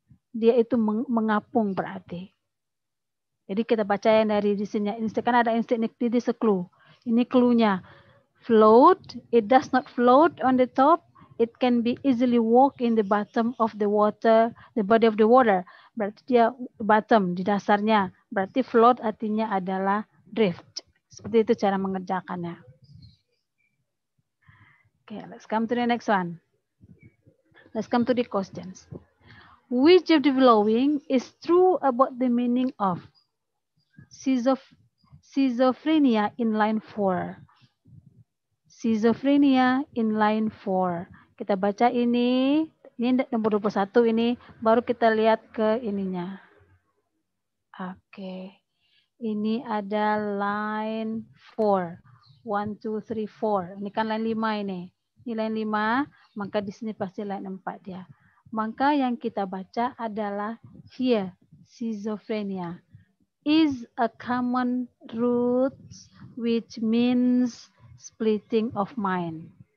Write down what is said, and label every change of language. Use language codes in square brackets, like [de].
[id] Dia itu mengapung berarti. Jadi kita baca yang dari disini. Instead, kan ada instead, ini [en] is a clue. [id] Ini cluenya. [en] Float, it does not float on the top. It can be easily walk in the bottom of the water, the body of the water. [id] Berarti dia bottom, di dasarnya. Berarti float artinya adalah drift. Seperti itu cara mengerjakannya. [en] Okay, let's come to the next one. Let's come to the questions. Which of the following is true about the meaning of schizophrenia in line 4? Schizophrenia in line 4. [id] Kita baca ini nomor 21 ini, baru kita lihat ke ininya. Oke. Okay. Ini ada line 4. 1, 2, 3, 4. Ini kan line 5 ini. Ini line 5, maka di sini pasti line 4 dia. Maka yang kita baca adalah here, schizophrenia. [en] Is a common root which means splitting of mind.